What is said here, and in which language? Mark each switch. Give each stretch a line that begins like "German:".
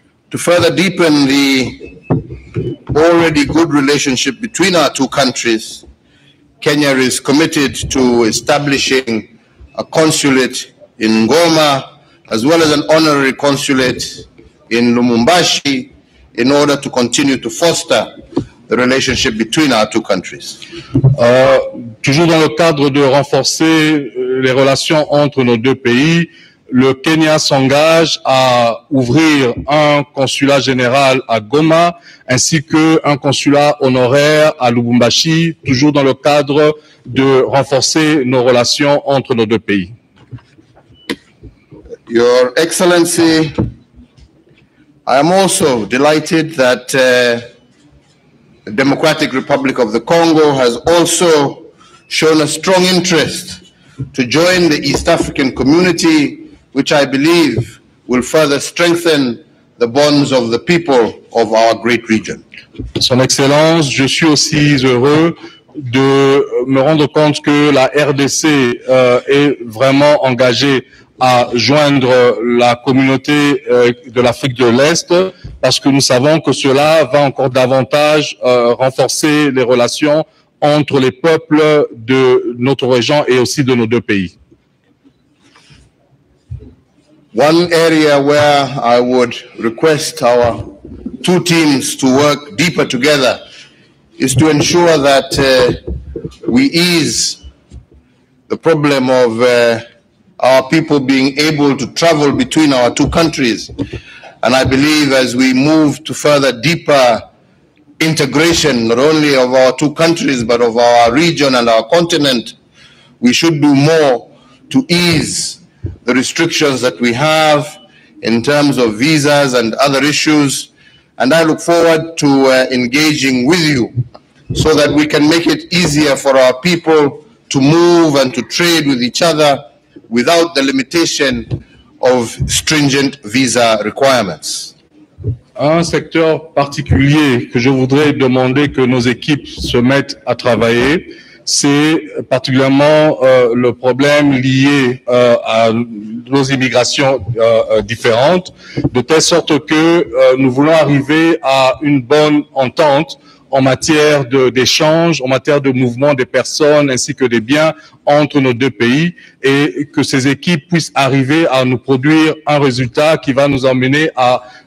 English: To further deepen the already good relationship between our two countries, Kenya is committed to establishing a consulate in Goma, as well as an honorary consulate in Lumumbashi, in order to continue to foster the relationship between our two countries.
French: Toujours dans le cadre de renforcer les relations entre nos deux pays, le Kenya s'engage à ouvrir un consulat général à Goma, ainsi que un consulat honoraire à Lubumbashi, toujours dans le cadre de renforcer nos relations entre nos deux pays.
English: Your Excellency, I am also delighted that the Democratic Republic of the Congo has also shown a strong interest to join the East African Community, which I believe will further strengthen the bonds of the people of our great region.
French: Son Excellence, je suis aussi heureux de me rendre compte que la RDC est vraiment engagée à joindre la communauté de l'Afrique de l'Est, parce que nous savons que cela va encore davantage renforcer les relations entre les peuples de notre région et aussi de nos deux pays.
English: One area where I would request our two teams to work deeper together is to ensure that we ease the problem of our people being able to travel between our two countries. And I believe as we move to further deeper integration, not only of our two countries, but of our region and our continent, we should do more to ease the restrictions that we have in terms of visas and other issues. And I look forward to engaging with you so that we can make it easier for our people to move and to trade with each other without the limitation of stringent visa requirements.
French: Un secteur particulier que je voudrais demander que nos équipes se mettent à travailler, c'est particulièrement le problème lié à nos immigrations différentes, de telle sorte que nous voulons arriver à une bonne entente en matière d'échange, en matière de mouvement des personnes ainsi que des biens entre nos deux pays, et que ces équipes puissent arriver à nous produire un résultat qui va nous emmener à